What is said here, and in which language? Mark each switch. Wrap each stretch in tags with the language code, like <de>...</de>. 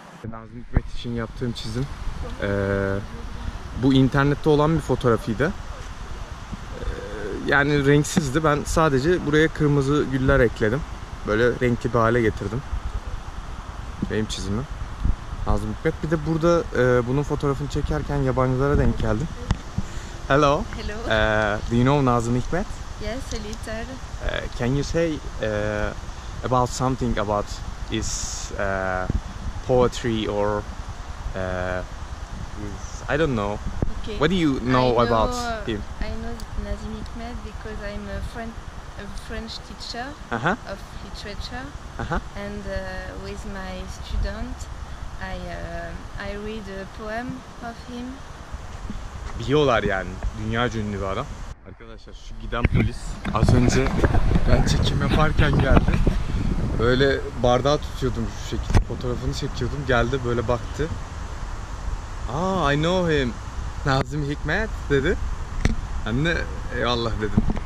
<tr>Nazım Hikmet için yaptığım çizim. Bu internette olan bir fotoğrafıydı. Yani renksizdi. Ben sadece buraya kırmızı güller ekledim. Böyle renkli bir hale getirdim. Benim çizimim. Nazım Hikmet. Bir de burada bunun fotoğrafını çekerken yabancılara denk geldim.</tr> <en>Hello. Hello. Do you know Nazım Hikmet? Yes, a little. Can you say about something about his poetry or his, I don't know. Okay. What do you know about him? I know Nazım Hikmet because I'm a French teacher of literature, and with my student, I read a poem of him.</en> <tr>Biliyorlar yani, dünyaca ünlü bir adam. Arkadaşlar, şu giden polis az önce ben çekim yaparken geldi. Böyle bardağı tutuyordum şu şekilde, fotoğrafını çekiyordum, geldi böyle baktı. Aa,</tr> <en>I know him,</en> <tr>Nazım Hikmet dedi. Ben de eyvallah dedim.</tr>